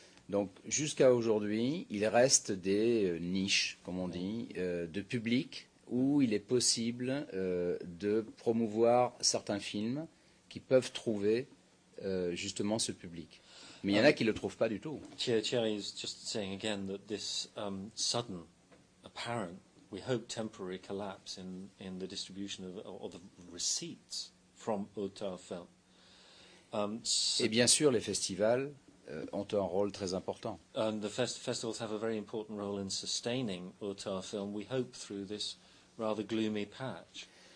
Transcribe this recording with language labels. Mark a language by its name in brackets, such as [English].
[French] Donc jusqu'à aujourd'hui, il reste des niches, comme on dit, de publics où il est possible de promouvoir certains films qui peuvent trouver justement ce public. Mais il y en a qui ne le trouvent pas du tout. [English] Thierry is just saying again that this sudden, apparent, we hope temporary collapse in the distribution of or the receipts from auteur film. [French] Et bien sûr, les festivals ont un rôle très important. [English] And the festivals have a very important role in sustaining auteur film, we hope, through this rather gloomy patch.